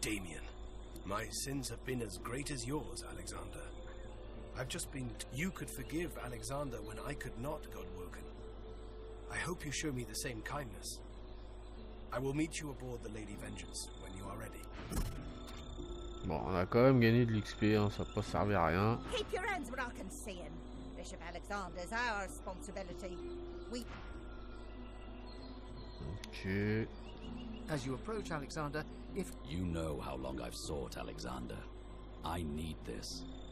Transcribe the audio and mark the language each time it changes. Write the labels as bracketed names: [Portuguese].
[English] Damien, my sins have been as great as yours, Alexander. I've just been... You could forgive Alexander when I could not, Godwoken. I hope you show me the same kindness. I will meet you aboard the Lady Vengeance when you are ready. [French] Bon, on a quand même gagné de l'XP, hein, ça peut servir à rien. [English] Keep your hands where I can see him. Bishop Alexander's our responsibility. We... Ok. As you approach Alexander, if... You know how long I've sought Alexander. I need this.